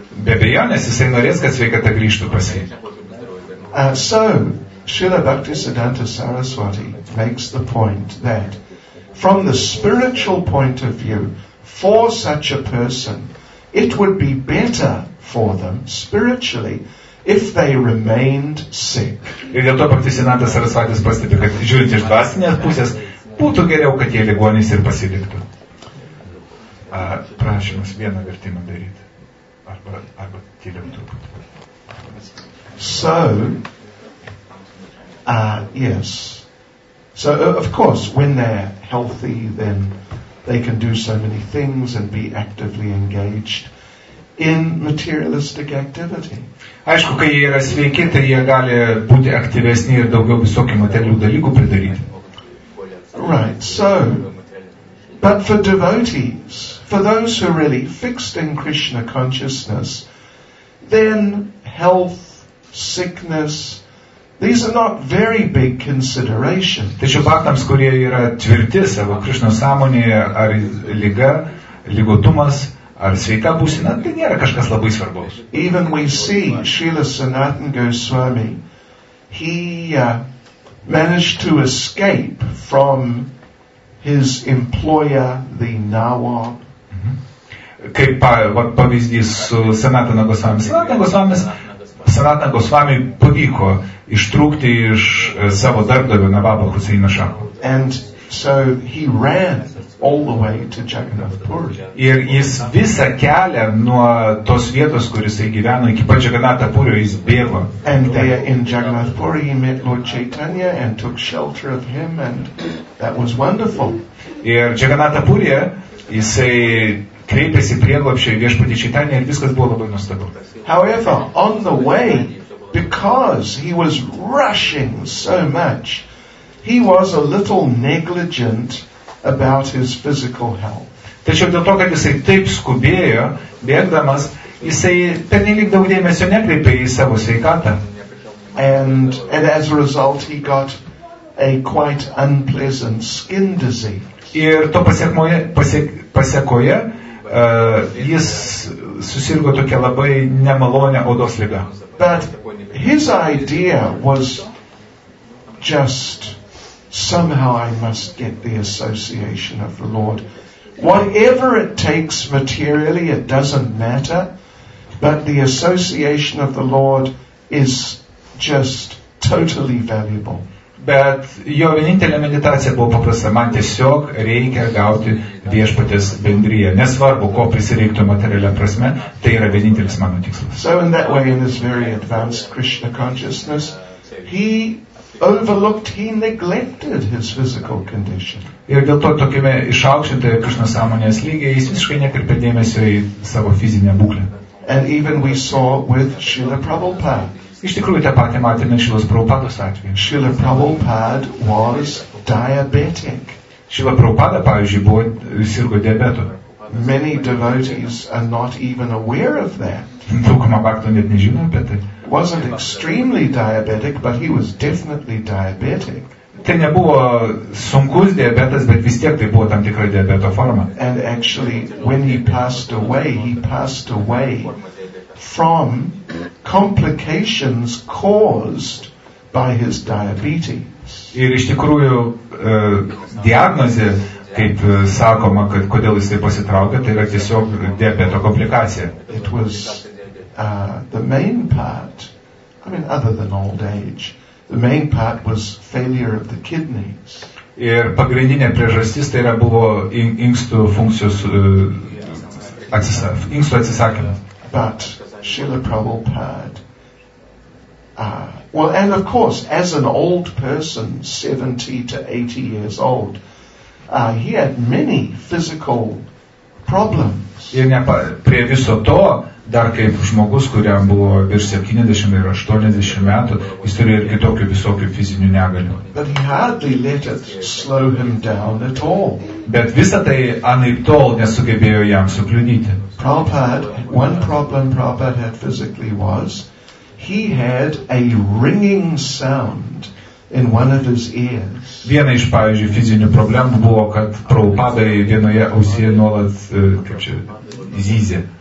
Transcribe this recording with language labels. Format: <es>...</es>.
<lt>Be abejonės, jisai norės, kad sveikata grįžtų pas jį.</lt> <en>So, Srila Bhaktisiddhanta Saraswati makes the point that from the spiritual point of view, for such a person, it would be better for them spiritually if they remained sick.</en> <lt>Ir dėl to Bhaktisiddhanta Saraswati pastebi, kad žiūrint iš dvasinės pusės, būtų geriau, kad jie ligonys ir pasiliktų. Prašymas vieną vertimą daryti. Arba tyliau truputį.</lt> <en>So, yes. So, of course, when they're healthy, then they can do so many things and be actively engaged in materialistic activity.</en> <lt>Aišku, kai jie yra sveiki, tai jie gali būti aktyvesni ir daugiau visokių materialių dalykų pridaryti.</lt> <en>Right, so, but for devotees, for those who are really fixed in Krishna consciousness, then health, sickness, these are not very big considerations.</en> <lt>Tačiau bhaktams, kurie yra tvirti savo Krishna sąmonėje, ar liga, ligotumas, ar sveika būsina, tai nėra kažkas labai svarbaus.</lt> <en>Even we see Srila Sanatana Goswami, he managed to escape from his employer, the Nawab.</en> <lt>Kaip pavyzdys su Sanatana Goswami. Sanatana Goswami pavyko ištrūkti iš savo darbdavio Nababo Huseino Šacho.</lt> <en>And so he ran all the way to Jagannath Puri.</en> <lt>Ir jis visą kelią nuo tos vietos, kur jisai gyveno, iki pat Jagannatha Puri, jis bėgo.</lt> <en>And there in Jagannath Puri he met Lord Chaitanya and took shelter of him and that was wonderful.</en> <lt>Ir Jagannatha Puri jisai kreipėsi prieglobščio Viešpatį Čaitanį ir viskas buvo labai nuostabu.</lt> <en>However, on the way, because he was rushing so much, he was a little negligent about his physical health.</en> <lt>Tačiau dėl to, kad jisai taip skubėjo, bėgdamas, jisai pernelyg daug dėmesio nekreipė į savo sveikatą.</lt> <en>And as a result, he got a quite unpleasant skin disease.</en> <lt>Ir to pasekoje, jis susirgo tokia labai nemalonė odos liga.</lt> <en>But his idea was just somehow I must get the association of the Lord. Whatever it takes materially, it doesn't matter. But the association of the Lord is just totally valuable.</en> <lt>Bet jo vienintelė meditacija buvo paprasta. Man tiesiog reikia gauti Viešpaties bendryje. Nesvarbu, ko prisireiktų materialią prasme, tai yra vienintelis mano tikslas.</lt> <en>So in that way, in this very advanced Krishna consciousness, he overlooked, he neglected his physical condition.</en> <lt>Ir dėl to tokime išaukštintoje Krishna sąmonės lygiai, jis visiškai nekreipė dėmesio į savo fizinę būklę.</lt> <en>And even we saw with Srila Prabhupada.</en> <lt>Iš tikrųjų, tą patį matėme Šilas Prabhupados atveju.</lt> <en>Srila Prabhupada was diabetic.</en> <lt>Šila Prabhupada, pavyzdžiui, sirgo diabetu.</lt> <en>Many devotees are not even aware of that.</en> <lt>Daugumą bakto net nežino apie tai.</lt> <en>Wasn't extremely diabetic, but he was definitely diabetic.</en> <lt>tai nebuvo sunkus diabetas, bet vis tiek tai buvo tam tikra diabeto forma.</lt> <en>And actually, when he passed away from complications caused by his diabetes.</en> <lt>Ir iš tikrųjų diagnozė, kaip sakoma, kad kodėl jis tai pasitraukė, tai yra tiesiog diabeto komplikacija.</lt> <en>It was the main part, I mean, other than old age, the main part was failure of the kidneys.</en> <lt>Ir pagrindinė priežastis tai yra buvo inkstų funkcijos inkstų atsisakymas.</lt> <en>But Srila Prabhupada, well, and of course, as an old person, 70 to 80 years old, he had many physical problems.</en> <lt>Ir prie viso to, dar kaip žmogus, kuriam buvo virš 70 ir 80 metų, jis turėjo ir kitokių visokių fizinių negalių.</lt> <en>But he hardly let it slow him down at all.</en> <lt>Bet visa tai anaip tol nesugebėjo jam sukliudyti.</lt> <en>Prabhupada had physically was, he had a ringing sound in one of his ears.</en> <lt>Viena iš, pavyzdžiui, fizinių problemų buvo, kad Prabhupadai vienoje ausyje nuolat, kaip čia, zyzė.</lt>